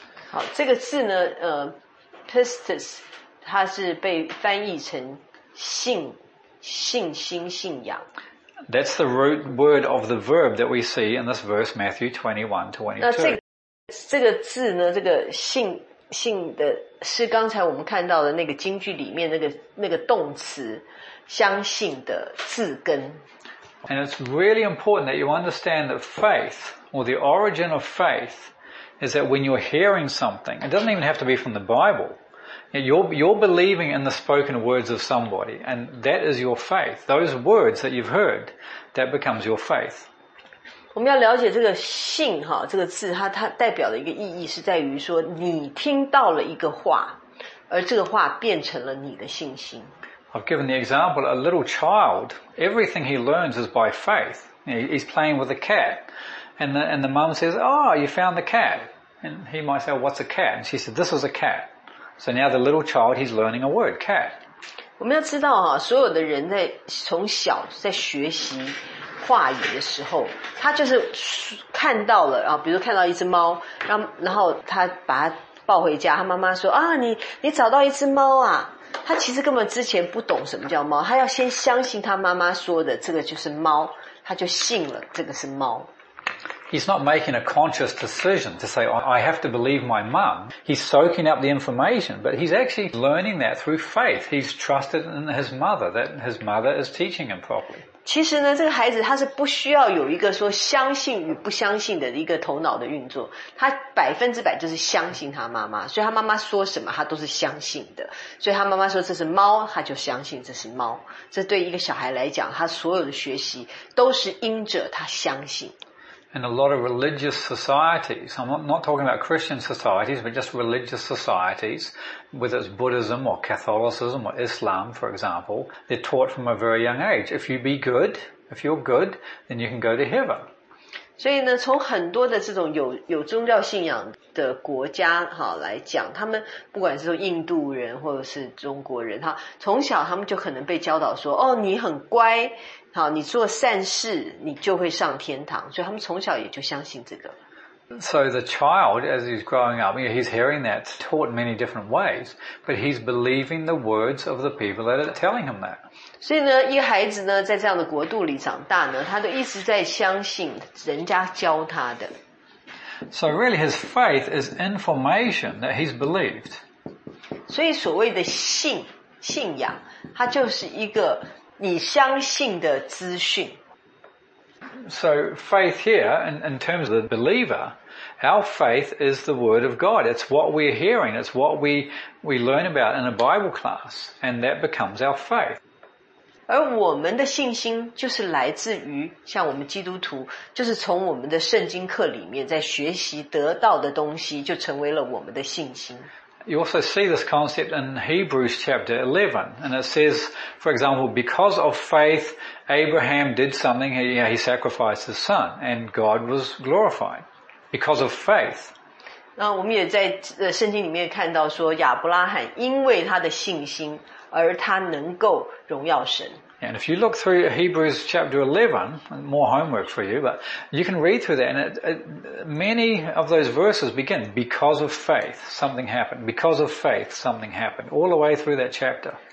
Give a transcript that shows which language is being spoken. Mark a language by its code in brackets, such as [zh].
[zh] 好，这个字呢，pistis, 它是被翻译成信，信心，信仰。 [en] That's the root word of the verb that we see in this verse, Matthew 21:22. [zh] 那这个字呢，这个信，信的，是刚才我们看到的那个经句里面那个动词。相信的字根。 [en] And it's really important that you understand that faith, or the origin of faith, is that when you're hearing something, it doesn't even have to be from the Bible, you're believing in the spoken words of somebody, and that is your faith. Those words that you've heard, that becomes your faith. [zh] 我们要了解这个信，这个字 它代表的一个意义是在于说你听到了一个话，而这个话变成了你的信心。 [en] I've given the example, a little child, everything he learns is by faith. He's playing with a cat. And the mum says, oh, you found the cat. And he might say, oh, what's a cat? And she said, this is a cat. So now the little child, he's learning a word, cat. [zh] 我们要知道啊，所有的人在从小在学习话语的时候，他就是看到了啊，比如看到一只猫，然后他把它抱回家，他妈妈说啊，你找到一只猫啊。他其实根本之前不懂什么叫猫，他要先相信他妈妈说的这个就是猫，他就信了这个是猫。 [en] He's not making a conscious decision to say, I have to believe my mum. He's soaking up the information, but he's actually learning that through faith. He's trusted in his mother, that his mother is teaching him properly. [zh] 其实呢，这个孩子他是不需要有一个说相信与不相信的一个头脑的运作，他百分之百就是相信他妈妈，所以他妈妈说什么他都是相信的，所以他妈妈说这是猫，他就相信这是猫。这对一个小孩来讲，他所有的学习都是因着他相信。 [en] And a lot of religious societies, I'm not talking about Christian societies, but just religious societies, whether it's Buddhism or Catholicism or Islam, for example, they're taught from a very young age. If you be good, if you're good, then you can go to heaven. [zh] 所以呢，从很多的这种有宗教信仰的国家哈来讲，他们不管是说印度人或者是中国人哈，从小他们就可能被教导说，哦，你很乖。好，你做善事，你就会上天堂。所以他们从小也就相信这个。 [en] So the child, as he's growing up, he's hearing that taught in many different ways, but he's believing the words of the people that are telling him that. [zh] 所以呢，一个孩子呢，在这样的国度里长大呢，他都一直在相信人家教他的。 [en] So really, his faith is information that he's believed. [zh] 所以所谓的信仰，它就是一个。你相信的资讯。 [en] So faith here, in terms of the believer, our faith is the word of God. It's what we're hearing. It's what we learn about in a Bible class, and that becomes our faith. [zh] 而我们的信心就是来自于像我们基督徒，就是从我们的圣经课里面在学习得到的东西，就成为了我们的信心。 [en] You also see this concept in Hebrews chapter 11, and it says, for example, because of faith, Abraham did something, he sacrificed his son, and God was glorified. Because of faith. [zh] 那我们也在圣经里面看到说亚伯拉罕因为他的信心而他能够荣耀神。 [en] And if you look through Hebrews chapter 11, more homework for you, but you can read through that, and many of those verses begin, because of faith, something happened. Because of faith, something happened. All the way through that chapter.